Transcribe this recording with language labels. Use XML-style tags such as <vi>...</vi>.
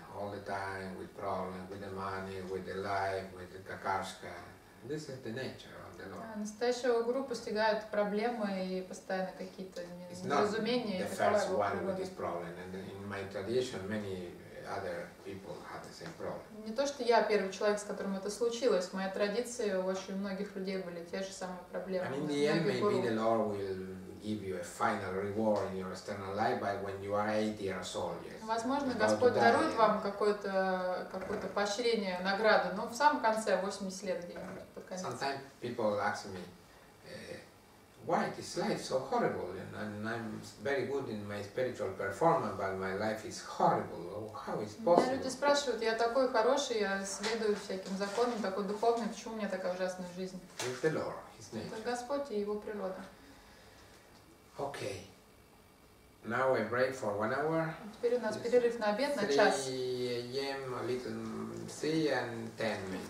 <en>All the time with problems, with the money, with the life, with the kakashka. This is the nature of the Lord.</en> <ru>А настоящего гуру постигают проблемы и постоянно какие-то недоразумения.</ru> <en>It's not the first one with this problem. And in my tradition, many other people had the same problem.</en> <ru>Не то, что я первый человек, с которым это случилось. В моей традиции у очень многих людей были те же самые проблемы.</ru> <en>And in the end, maybe the Lord will give you a final reward in your external life by when you are 80 years old. Yes.</en> <ru>Возможно, Господь дарует вам какое-то поощрение, награду, но в самом конце, 80 лет где-нибудь.</ru> <en>Sometimes people ask me, why this life so horrible? And I'm very good in my spiritual performance, but my life is horrible. How is possible?</en> <ru>Люди спрашивают, я такой хороший, я следую всяким законам, такой духовный, почему у меня такая ужасная жизнь?</ru> <en>It's the Lord, His nature.</en> <ru>Это Господь и Его природа.</ru> <en>Okay. Now a break for 1 hour.</en> <ru>Теперь у нас перерыв на обед на час.</ru> <en>3 a.m. a little see and 10 minutes.</en>